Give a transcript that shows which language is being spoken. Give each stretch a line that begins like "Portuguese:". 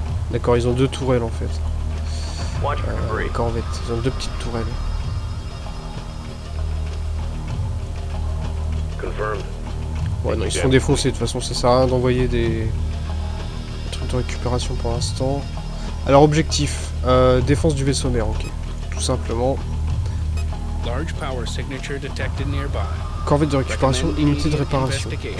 French: D'accord, ils ont deux tourelles, en fait. Les corvettes, ils ont deux petites tourelles.
English: Confirmed.
French: Ouais, non, ils sont défoncés, de toute façon, ça sert à rien d'envoyer des... de récupération pour l'instant. Alors objectif, défense du vaisseau mère, ok. Tout simplement.
English: Large power signature detected nearby.
French: Corvette de récupération, unité de réparation.